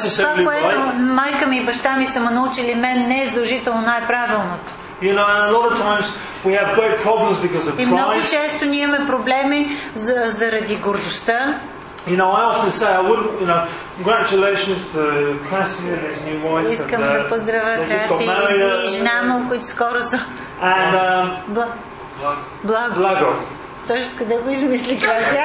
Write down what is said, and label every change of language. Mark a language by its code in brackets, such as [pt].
[bg] това, което майка ми и баща ми са ме научили, мен не е задължително най-правилното. [en] You know, and a lot of times we have great problems because of pride. [bg] И много често ние имаме проблеми заради гордостта. [en] You know, I often say, I wouldn't, you know, congratulations to Cassie and his new wife. [bg] Искам да поздравя Cassie и жена му, които скоро са. [en] And [bg] Благо. Точно къде го измисли Cassie?